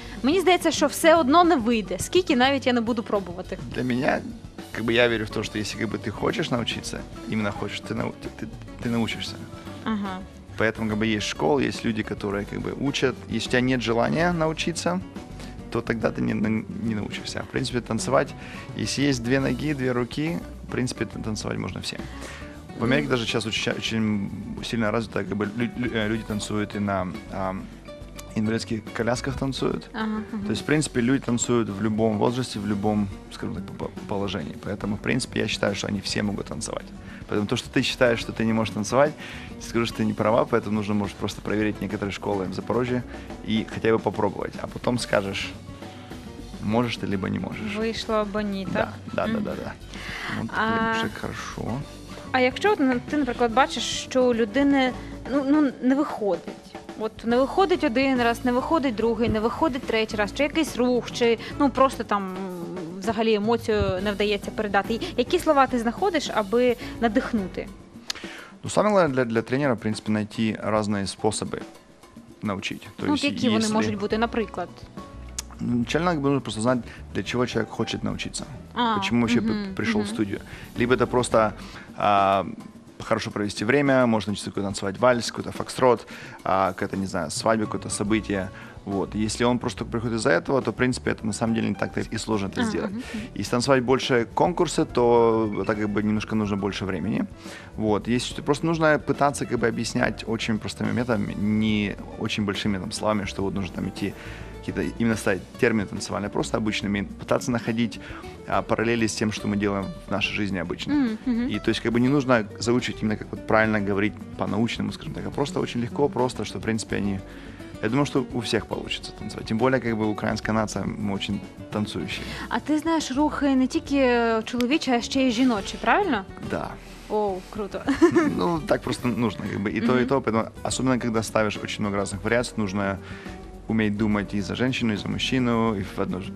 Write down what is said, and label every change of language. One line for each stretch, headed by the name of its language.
Ukrainian: Мені здається, що все одно не вийде, скільки навіть я не буду пробувати. Для мене, якби я вірю в те, що якщо якби, ти хочеш навчитися, іменно хочеш, ти навчишся. Ага. Поэтому, якби, є школа, є люди, які якби, учать, якщо у тебе немає бажання навчитися, то
Russian: тогда ты не научишься. В принципе, танцевать, если есть две ноги, две руки, в принципе, танцевать можно всем. В Америке даже сейчас очень сильно развито, как бы люди танцуют и на инвалидских колясках танцуют. Ага, ага. То есть, в принципе, люди танцуют в любом возрасте, в любом, скажем так, положении. Поэтому, в принципе, я считаю, что они все могут танцевать. Поэтому то, что ты считаешь, что ты не можешь танцевать, скажу, что ты не права, поэтому нужно, может, просто проверить некоторые школы в Запорожье и хотя бы попробовать. А потом скажешь, можешь ты, либо не можешь. Вышло бы не так. Да, да, да, да. Вот так уже хорошо.
Ukrainian: А якщо ти, наприклад, бачиш, що у людини ну, не виходить. От не виходить один раз, не виходить другий, не виходить третій раз, чи якийсь рух, чи ну просто там взагалі емоцію не вдається передати. Які слова ти знаходиш, аби надихнути? Ну, саме головне для тренера, в принципі, знайти різні способи навчити. Тобто, ну, які вони можуть бути, наприклад?
Russian: Начально нужно просто знать, для чего человек хочет научиться, почему вообще пришел в студию. Либо это просто хорошо провести время, можно начать танцевать вальс, какой-то фокстрот, какая-то, не знаю, свадьба, какое-то событие. Вот. Если он просто приходит из-за этого, то, в принципе, это на самом деле не так-то и сложно это сделать. Если танцевать больше конкурсы, то это как бы немножко нужно больше времени. Вот. Если просто нужно пытаться как бы объяснять очень простыми методами, не очень большими там словами, что вот нужно там идти какие-то именно ставить термины танцевальные, просто обычными, пытаться находить параллели с тем, что мы делаем в нашей жизни обычно. И то есть как бы не нужно заучить именно как вот правильно говорить по-научному, скажем так, а просто очень легко, просто, что, в принципе, они... Я думаю, что у всех получится танцювати.
Ukrainian: Тим більше, якби українська нація, ми дуже танцюючі. А ти знаєш рухи не тільки чоловічі, а ще й жіночі, правильно? Так.
Russian: Да.
Ukrainian: О, круто. Ну, так просто нужно, якби і то, і то.
Russian: Поэтому, особенно,
Ukrainian: коли ставиш дуже багато різних варіацій,
Russian: нужно уметь
Ukrainian: думати і за жінку, і за мужчину, і в одну ж.